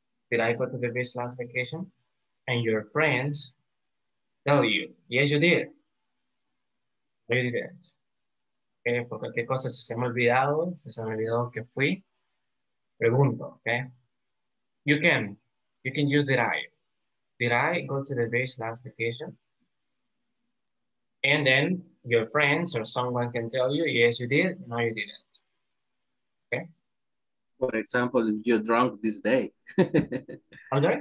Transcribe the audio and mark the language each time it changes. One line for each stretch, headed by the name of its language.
English: Did I go to the beach last vacation? And your friends tell you, yes, you did. No, you didn't.
Spanish: Okay, por cualquier cosa, si se me olvidó que fui, pregunto, okay?
English: You can use did I. Did I go to the beach last vacation? And then your friends or someone can tell you, yes, you did. No, you didn't. For example, if you're drunk this day. Okay.